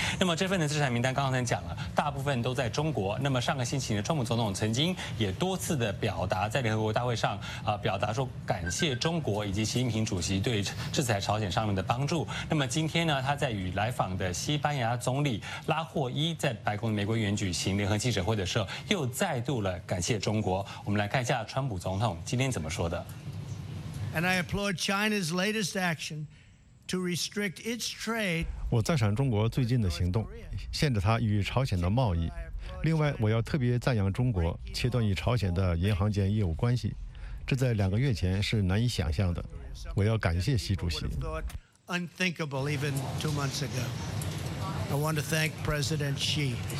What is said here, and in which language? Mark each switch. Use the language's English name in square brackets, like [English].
[Chinese] 那么这份的制裁名单刚刚才讲了，大部分都在中国。那么上个星期呢，川普总统曾经也多次的表达在联合国大会上表达说感谢中国以及习近平主席对制裁朝鲜上面的帮助。那么今天呢，他在与来访的西班牙总理拉霍伊在白宫的玫瑰园举行联合记者会的时候，又再度了感谢中国。我们来看一下川普总统今天怎么说的。 [English] And I applaud China's latest action to restrict its trade. [Chinese] 我赞赏中国最近的行动，限制它与朝鲜的贸易。另外，我要特别赞扬中国切断与朝鲜的银行间业务关系，这在两个月前是难以想象的。我要感谢习主席。 [English] Unthinkable even 2 months ago. I want to thank President Xi.